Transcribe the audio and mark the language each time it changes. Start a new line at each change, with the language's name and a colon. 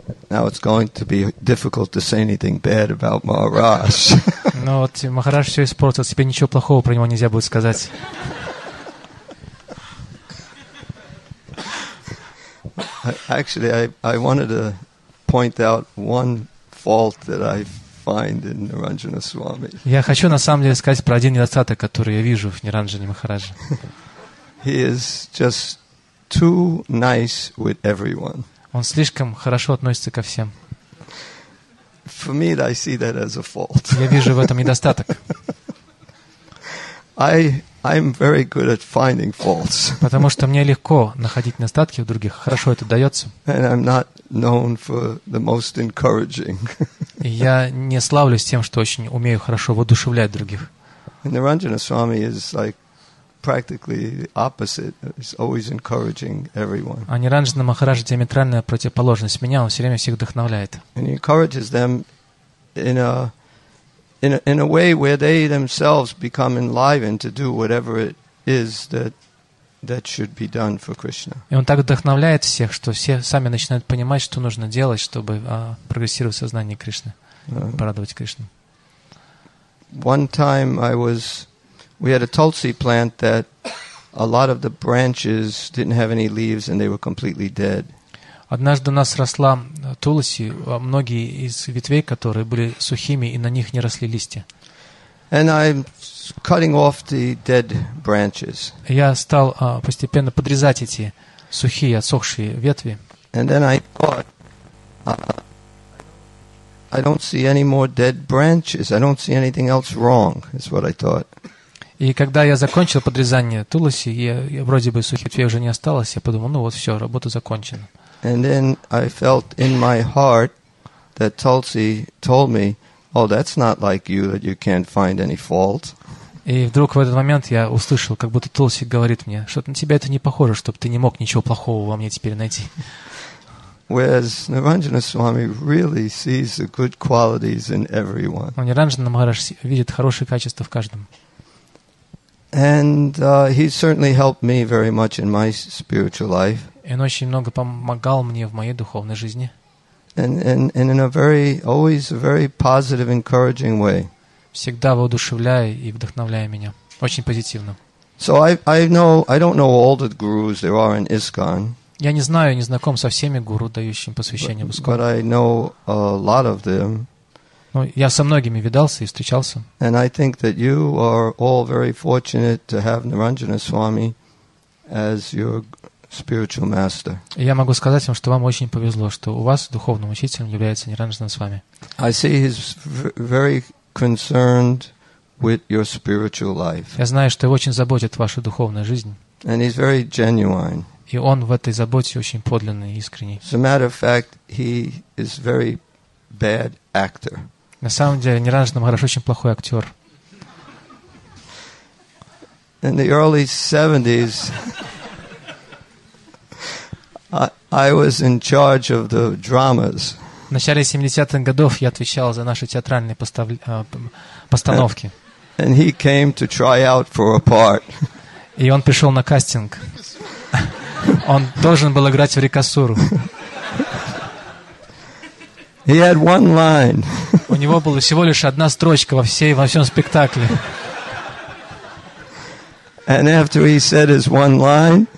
English: Now it's going to be difficult to say anything bad about Maharaj.
Russian: Но вот Махарадж все испортил. Теперь ничего плохого про него нельзя будет сказать.
English: Actually, I wanted to point out one fault that I find in Niranjana Swami.
Russian: Я хочу на самом деле сказать про один недостаток, который я вижу в Ниранджане Махарадже.
English: He is just too nice with everyone.
Russian: Он слишком хорошо относится ко всем.
English: For me, I see that as a fault.
Russian: Я вижу в этом недостаток.
English: I'm very good at finding faults.
Russian: Потому что мне легко находить недостатки в других. Хорошо это дается.
English: And I'm not known for the most encouraging.
Russian: Я не славлюсь тем, что очень умею хорошо воодушевлять других.
English: And Niranjana Swami is like practically the opposite. He's always encouraging everyone.
Russian: А Ниранджана Махарадж диаметральная противоположность меня. Он все время всех вдохновляет.
English: And he encourages them in a way where they themselves become enlivened to do whatever it is that should be done for Krishna.
Russian: И он так вдохновляет всех, что все сами начинают понимать, что нужно делать, чтобы прогрессировать сознание Кришны, порадовать Кришну.
English: One time we had a tulsi plant that a lot of the branches didn't have any leaves and they were completely dead.
Russian: Однажды у нас росла тулси, многие из ветвей, которые были сухими, и на них не росли листья.
English: And I'm cutting off the dead branches.
Russian: Я стал постепенно подрезать эти сухие, отсохшие ветви.
English: And then I thought, I don't see any more dead branches. I don't see anything else wrong, is what I thought.
Russian: И когда я закончил подрезание туласи, я вроде бы сухих ветвей уже не осталось, я подумал, ну вот все, работа закончена.
English: And then I felt in my heart that Tulsi told me, oh, that's not like you, that you can't find any fault.
Russian: И вдруг в этот момент я услышал, как будто Тулси говорит мне, что на тебя это не похоже, чтобы ты не мог ничего плохого во мне теперь найти.
English: Whereas Niranjana Swami really sees the good qualities in everyone.
Russian: Но Ниранджана Махарадж видит хорошие качества в каждом.
English: And he certainly helped me very much in my spiritual life.
Russian: Он очень много помогал мне в моей духовной жизни.
English: And in a very, always a very positive, encouraging way.
Russian: Всегда воодушевляя и вдохновляя меня. Очень позитивно.
English: So I don't know all the gurus there are in ISKCON.
Russian: Я не знаю, не знаком со всеми гуру, дающими посвящение в ISKCON.
English: But I know a lot of them.
Russian: Ну, я со многими видался и встречался.
English: And I think that you are all very fortunate to have Niranjana Swami as your spiritual master.
Russian: Я могу сказать вам, что вам очень повезло, что у вас духовным учителем является Niranjana Swami.
English: I see he's very concerned with your spiritual life.
Russian: Я знаю, что его очень заботит ваша духовная жизнь.
English: And he's very genuine.
Russian: И он в этой заботе очень подлинный и искренний.
English: As a matter of fact, he is very bad actor.
Russian: На самом деле, Niranjana хорошо, очень плохой актер.
English: In the early 70s, I was in charge of the dramas.
Russian: В начале 70-х годов я отвечал за наши театральные постановки.
English: And he came to try out for a part.
Russian: И он пришел на кастинг. Он должен был играть в Рикосуру.
English: He had one line.
Russian: У него была всего лишь одна строчка во всем спектакле.
English: And after he said his one line,